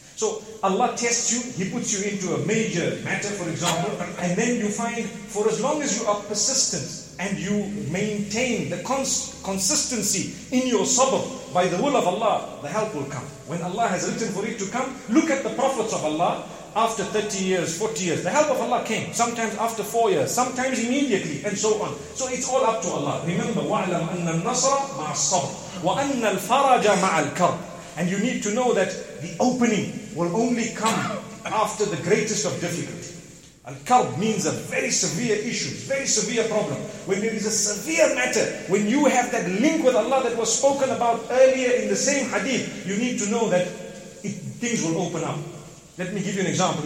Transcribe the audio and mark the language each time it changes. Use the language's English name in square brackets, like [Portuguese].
[English] So Allah tests you, He puts you into a major matter, for example, and then you find, for as long as you are persistent and you maintain the consistency in your sabr by the will of Allah, the help will come. When Allah has written for it to come, look at the prophets of Allah. After 30 years, 40 years, the help of Allah came. Sometimes after 4 years, sometimes immediately, and so on. So it's all up to Allah. Remember, [Arabic] وَعْلَمْ أَنَّ النَّصْرَ مَعَ الصَّبْرِ وَأَنَّ الْفَرَجَ مَعَ الْكَرْبِ. [English] And you need to know that the opening will only come after the greatest of difficulty. Al-karb means a very severe issue, very severe problem. When there is a severe matter, when you have that link with Allah that was spoken about earlier in the same hadith, you need to know that things will open up. Let me give you an example.